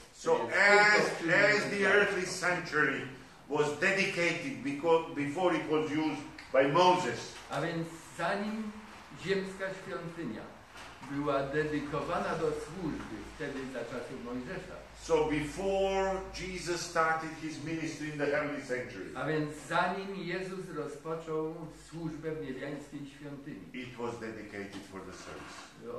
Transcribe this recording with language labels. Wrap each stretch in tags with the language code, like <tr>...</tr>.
<en>So as the earthly sanctuary was dedicated before it was used by Moses.</en> <pl>A więc zanim ziemska świątynia była dedykowana do służby wtedy za czasów Mojżesza.</pl> <en>So before Jesus started his ministry in the heavenly sanctuary.</en> <pl>A więc zanim Jezus rozpoczął służbę w niebiańskiej świątyni.</pl> <en>It was dedicated for the service.</en>